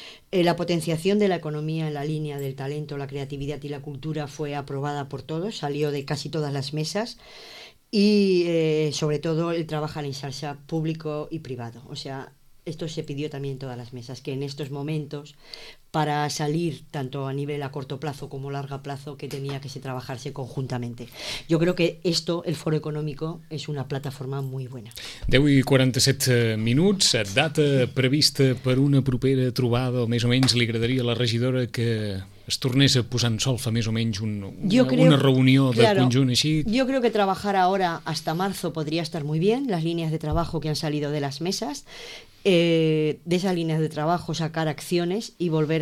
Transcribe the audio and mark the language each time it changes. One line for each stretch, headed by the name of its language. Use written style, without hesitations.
Spanish: La potenciación de la economía en la línea del talento, la creatividad y la cultura fue aprobada por todos, salió de casi todas las mesas, y sobre todo el trabajar en salsa público y privado. O sea, esto se pidió también en todas las mesas, que en estos momentos, para salir tanto a nivel a corto plazo como a largo plazo, que tenía que trabajarse conjuntamente. Yo creo que esto, el foro económico, es una plataforma muy buena.
Catalan: 10:47 minuts, data prevista per una propera trobada, o més o menys li agradaria a la regidora que es tornés a posar en solfa més o menys una reunió de conjunt així.
Spanish: Yo creo que trabajar ahora hasta marzo podría estar muy bien, las líneas de trabajo que han salido de las mesas, de esas líneas de trabajo sacar acciones y volver